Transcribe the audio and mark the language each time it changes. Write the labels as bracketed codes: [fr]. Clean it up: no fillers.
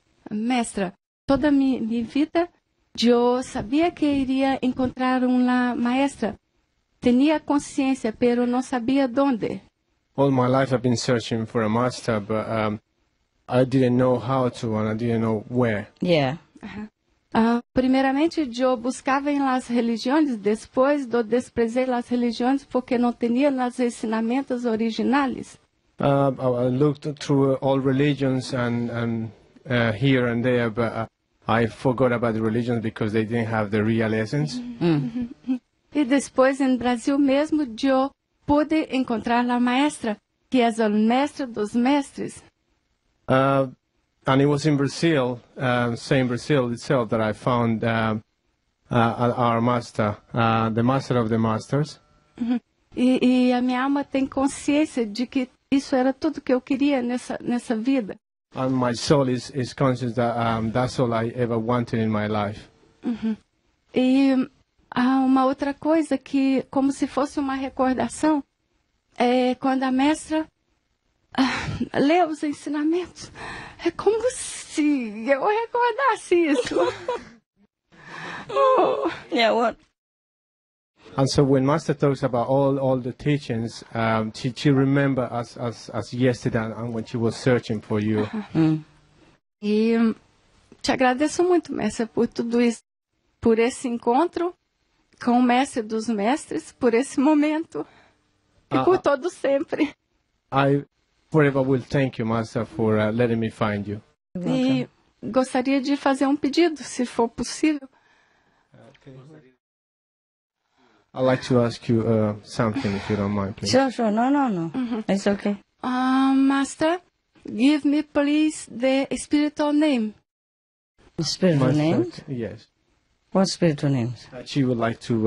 [pt] Mestra, [es] toda mi vida, [pt] eu sabia que iria encontrar uma maestra. [es] Tenía [pt] consciência, [es] pero [pt] não sabia [es] dónde. [en] All my life I've been searching for a master, but I didn't know how to and I didn't know where. Yeah. Uh-huh. [pt] Primeiramente, eu buscava em las religiões, depois eu desprezei las religiões porque não tinha nos ensinamentos originais. [en] I looked through all religions and here and there, but I forgot about the religions because they didn't have the real essence. Mm-hmm. [pt] E depois, em Brasil mesmo, eu pude encontrar a maestra, que é o mestre dos mestres. [en] And it was in Brazil, same Brazil itself, that I found our master, the master of the masters. [pt] E a minha alma tem consciência de que isso era tudo que eu queria nessa vida. [en] And my soul is conscious that that's all I ever wanted in my life. Uh-huh. [pt] E há uma outra coisa que, como se fosse uma recordação, é quando a mestra lê os ensinamentos, é como se eu recordasse isso. [en] Oh. Yeah, what? And so when Master talks about all the teachings, she remember as yesterday and when she was searching for you. Uh-huh. [pt] Mm. E te agradeço muito, mestre, por tudo isso, por esse encontro com o mestre dos mestres, por esse momento e por todo sempre. [en] I forever will thank you, Master, for letting me find you. [pt] E gostaria de fazer um pedido, se for possível. [en] Okay. I'd like to ask you something, if you don't mind, please. Sure, sure. No. Mm-hmm. It's okay. Master, give me, please, the spiritual name. Spiritual name? Yes. What spiritual names? She would like to...